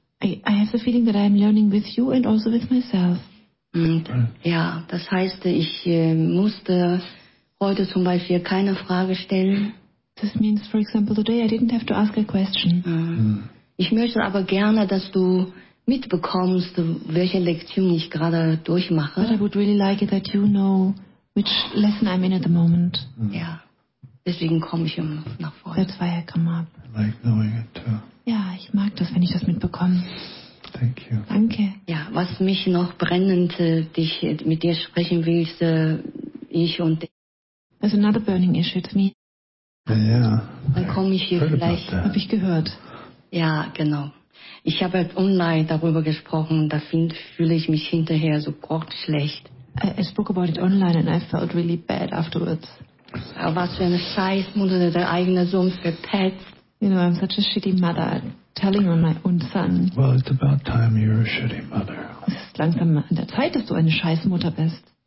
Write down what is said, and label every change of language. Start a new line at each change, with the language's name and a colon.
English: I have the feeling that I'm learning with you and also with myself.
German: Ja, das heißt, ich musste heute zum Beispiel keine Frage stellen.
English: This means, for example, today I didn't have to ask a question.
German: Ich möchte aber gerne, dass du mitbekommst, welche Lektion ich gerade durchmache.
English: But I would really like it that you know which lesson I'm in at the moment.
German: Ja, deswegen komme ich nach vorne.
English: That's why I come up. I like knowing it too.
German: Ja, ich mag das, wenn ich das mitbekomme.
English: Thank you.
German: Danke. Ja, was mich noch brennend dich mit dir sprechen will, ist ich und dich.
English: There's another burning issue to me.
German: Ja. Dann komme ich hier vielleicht. Habe ich gehört. Ja, genau. Ich habe jetzt online darüber gesprochen und da fühle ich mich hinterher so grottschlecht.
English: I spoke about it online and I felt really bad afterwards.
German: Was für eine Scheißmutter, der eigene Sohn verpetzt.
English: You know, I'm such a shitty mother telling on my own son. Well, it's about time you're a shitty mother.
German: Es ist langsam an der Zeit, dass du eine Scheißmutter bist.